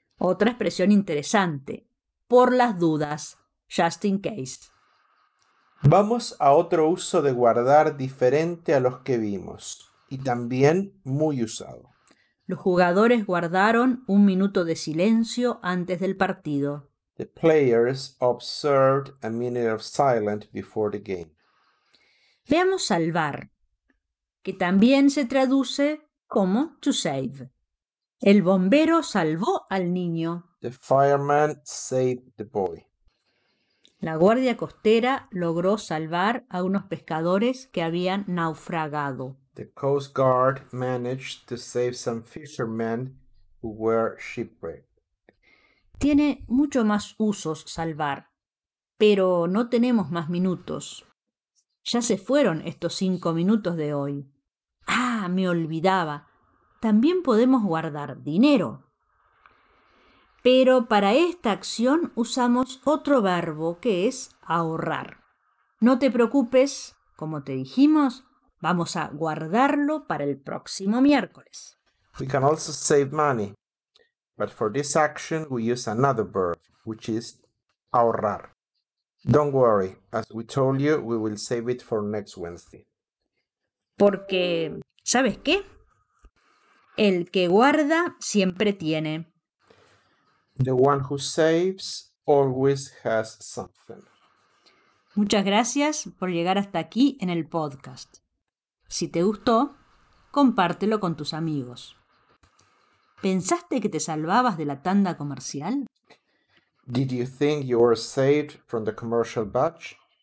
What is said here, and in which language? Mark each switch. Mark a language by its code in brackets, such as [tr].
[es] Otra expresión interesante. Por las dudas, [en] just in case. [es] Vamos a otro uso de guardar diferente a los que vimos y también muy usado. Los jugadores guardaron un minuto de silencio antes del partido. [en] The players observed a minute of silence before the game. [es] Veamos salvar, que también se traduce como [en] to save. [es] El bombero salvó al niño. [en] The fireman saved the boy. [es] La guardia costera logró salvar a unos pescadores que habían naufragado. [en] The coast guard managed to save some fishermen who were shipwrecked. [es] Tiene mucho más usos salvar, pero no tenemos más minutos. Ya se fueron estos 5 minutos de hoy. ¡Ah! Me olvidaba. también podemos guardar dinero. Pero para esta acción usamos otro verbo que es ahorrar. No te preocupes, como te dijimos, vamos a guardarlo para el próximo miércoles. [en] We can also save money, but for this action we use another verb, which is ahorrar. Don't worry, as we told you, we will save it for next Wednesday. [es] Porque, ¿sabes qué? El que guarda siempre tiene. [en] The one who saves always has something. [es] Muchas gracias por llegar hasta aquí en el podcast. Si te gustó, compártelo con tus amigos. ¿Pensaste que te salvabas de la tanda comercial? [en] Did you think you were saved from the commercial batch?